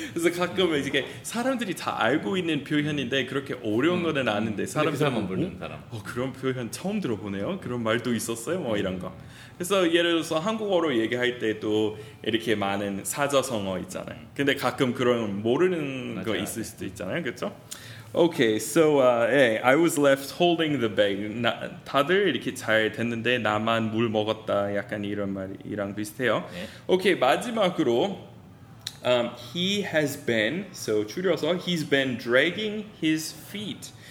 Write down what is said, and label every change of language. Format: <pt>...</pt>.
<ko>그래서 가끔 이렇게 사람들이 다 알고 있는 표현인데 그렇게 어려운 거는 아는데 사람들만 모르는 그 사람. 그런 표현 처음 들어보네요. 그런 말도 있었어요. 뭐 이런 거. 그래서 예를 들어서 한국어로 얘기할 때도 이렇게 많은 사자성어 있잖아요. 근데 가끔 그런 모르는 맞아, 거 있을 수도 있잖아요. 그렇죠?</ko> <en>Okay, so I was left holding the bag.</en> <ko>나, 다들 이렇게 잘 됐는데 나만 물 먹었다. 약간 이런 말이랑 비슷해요. 네.</ko> <en>Okay,</en> <ko>마지막으로</ko> <en>he has been, so</en> <ko>줄여서</ko> <en>he's been dragging his feet.</en>